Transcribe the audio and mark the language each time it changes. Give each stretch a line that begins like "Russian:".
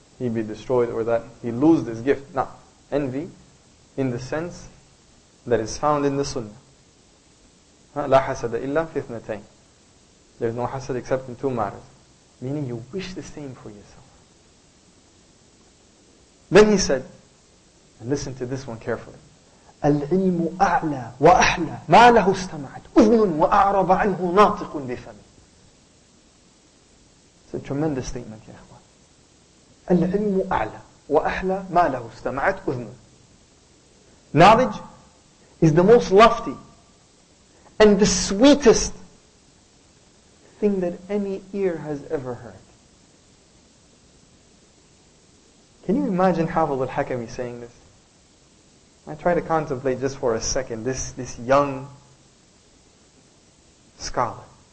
English: he be destroyed or that he lose this gift. Not envy in the sense that is found in the sunnah.
Arabic: لا حسد إلا في اثنتين.
English: There is no hasad except in two matters. Meaning you wish the same for yourself. Then he said, and listen to this one carefully.
Arabic: العلم أعلى وأحلى ما له استمعت أذن وأعرب عنه ناطق بفم.
English: It's a tremendous statement, يا إخوان.
Arabic: العلم أعلى وأحلى ما له استمعت أذن.
English: Knowledge is the most lofty and the sweetest thing that any ear has ever heard. Can you imagine Hafiz al-Hakami saying this? I try to contemplate just for a second this young scholar.